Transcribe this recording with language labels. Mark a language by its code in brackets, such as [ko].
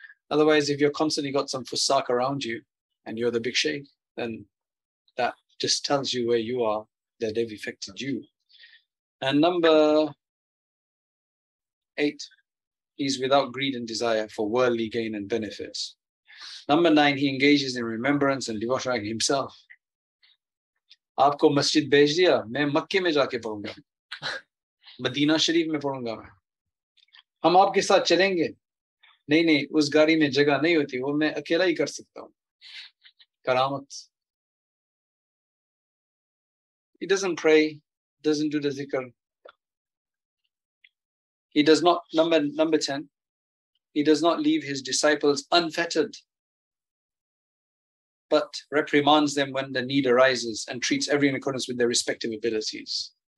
[en] Otherwise, if you're constantly got some fusak around you and you're the big sheikh, then that just tells you where you are, that they've affected you. And number 8, he's without greed and desire for worldly gain and benefits. Number 9, he engages in remembrance and devotion himself. [hi] आपको मस्जिद भेज दिया, मैं मक्का में जाके पढ़ूंगा. Medina शरीफ़ में पढ़ूंगा. हम आपके साथ चलेंगे. नहीं नहीं उस गाड़ी में जगह नहीं होती वो मैं अकेला ही कर सकता हूँ करामत. [en] He doesn't pray, doesn't do the zikr. He does not, number 10, he does not leave his disciples unfettered, but reprimands them when the need arises and treats everyone in accordance with their respective abilities.